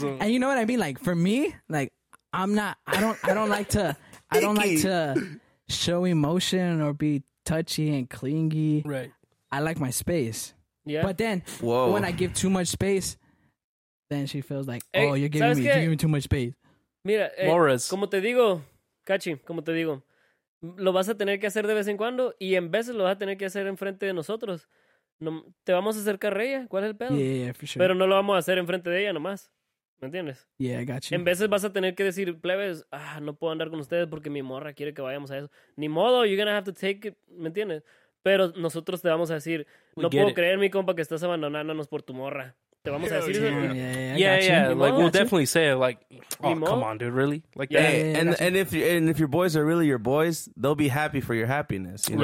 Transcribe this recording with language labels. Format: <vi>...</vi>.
<en>You know, and you know what I mean? Like for me, like I'm not, I don't like to show emotion or be t- touchy and clingy. Right. I like my space. Yeah. But then when I give too much space, then she feels like, oh, you're giving me too much space.</en> <es>Mira, Morris. Como te digo, Cachi, como te digo, lo vas a tener que hacer de vez en cuando y en veces lo vas a tener que hacer enfrente de nosotros. No, te vamos a acercar a ella, ¿cuál es el pedo?</es> <en>Yeah, for sure.</en> <es>Pero no lo vamos a hacer enfrente de ella nomás, ¿me entiendes?</es> <en>Yeah, I got you.</en> <es>En veces vas a tener que decir, plebes, no puedo andar con ustedes porque mi morra quiere que vayamos a eso. Ni modo,</es> <en>you're gonna have to take it,</en> <es>¿me entiendes? Pero nosotros te vamos a decir, no puedo creer, mi compa, que estás abandonándonos por tu morra. Te vamos a decir eso.</es> <en>Like, we'll definitely say it, like, come on, dude, really? Like, and if your boys are really your boys, they'll be happy for your happiness, you know?</en>